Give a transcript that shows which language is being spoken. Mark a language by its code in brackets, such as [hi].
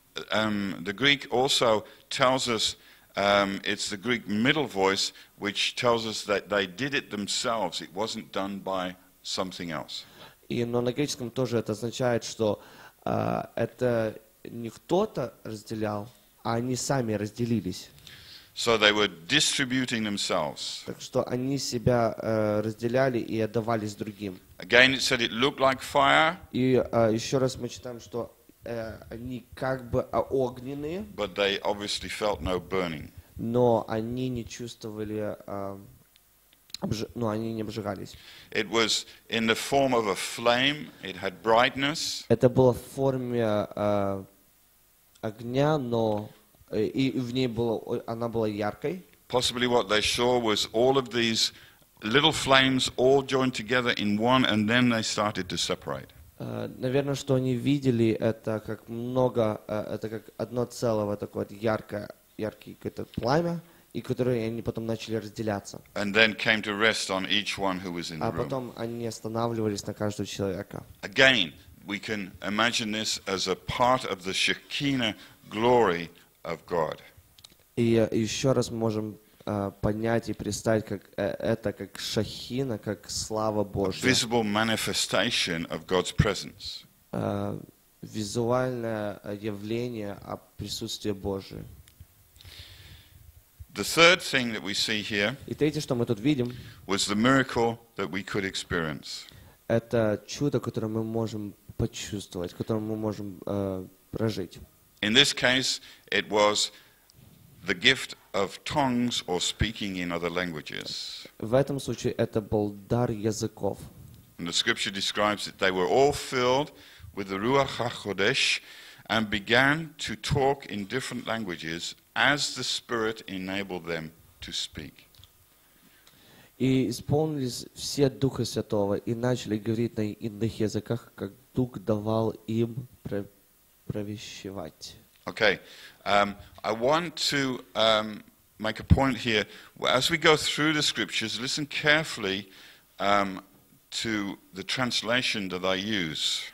[en] The Greek also tells us it's the Greek middle voice which tells us that they did it themselves. It wasn't done by something else. [ru] И но на греческом тоже это означает, что это не кто-то разделял, а они сами разделились. [en] So they were distributing themselves. [ru] Так что они себя разделяли и отдавались другим. [en] Again, it said it looked like fire. [ru] И еще раз мы читаем, что они как бы огненные. [en] But they obviously felt no burning. [ru] Но они не чувствовали, они не обжигались. [en] It was in the form of a flame. It had brightness. [ru] Это было в форме огня, но и в ней было, она была яркой. [en] Possibly what they saw was all of these little flames all joined together in one, and then they started to separate. [ru] Наверное, что они видели, это как много, это как одно целое, такое вот яркое какое-то пламя, и которые они потом начали разделяться. [en] And then came to rest on each one who was in the room. [ru] А потом они останавливались на каждого человека. [en] Again, we can imagine this as a part of the Shekinah glory of God. [ru] И еще раз можем понять и представить, как это как шахина, как слава Божья. [en] Visible manifestation of God's presence. [ru] Визуальное явление о присутствии Божьем. [en] The third thing that we see here. [ru] И третье, что мы тут видим. [en] Was the miracle that we could experience. [ru] Это чудо, которое мы можем почувствовать, которое мы можем прожить. [en] In this case, it was the gift of tongues or speaking in other languages. [ru] В этом случае это был дар языков. [en] And the scripture describes that they were all filled with the Ruach HaKodesh and began to talk in different languages as the Spirit enabled them to speak. [ru] И исполнились все Духа Святого и начали говорить на иных языках, как Дух давал им провещевать. [en] Okay, I want to make a point here. As we go through the scriptures, listen carefully to the translation that I use.